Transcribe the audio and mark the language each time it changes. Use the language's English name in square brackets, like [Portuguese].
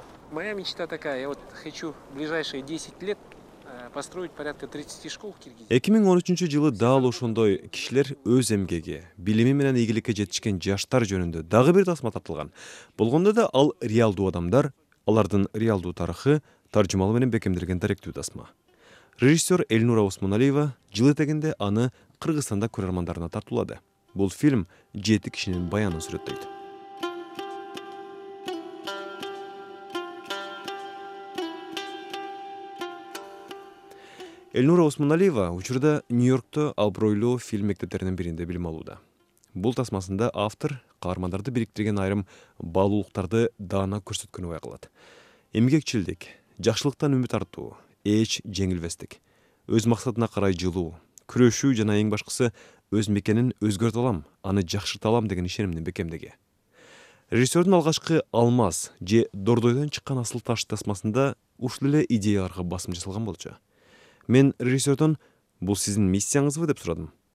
[Russian] Моя мечта такая, я вот хочу в ближайшие 10 лет построить порядка 30 школ в Киргизии. [Kyrgyz] 2013 жылы дал ошондой кишилер өз эмгеги, билими менен ийгиликке жетишкен жаштар жөнүндө дагы бир тасма тартылган. Болгондо да ал реалдуу адамдар, алардын реалдуу тарыхы таржымалы менен бекемдирген даректүү тасма. Режиссер Элнура Усманалиева жыл этегинде аны Кыргызстанда көрөрмандарына тартуулады. Бул фильм жети кишинин баянын сүрөттөйт. Элнура Усманалиева учурда Нью-Йоркто абройлуу фильм мектептеринин биринде билим алууда. Бул тасмасында автор каармандарды бириктирген айрым баалуулуктарды даана көрсөткөнү байкалат. Эмгекчилдик, жакшылыктан үмүт артуу, эч жеңилбестик, өз максатына карай жылуу, күрөшүү жана эң башкысы өз мекенин өзгөртө алам, аны жакшырта алам деген ишенимдин бекемдиги. Режиссердин алгачкы Алмаз же Дордойдон чыккан асыл таш тасмасында ушул эле идеяларга басым жасалган болчу. Мен режиссердон бул сиздин миссияңызбы деп сурадым.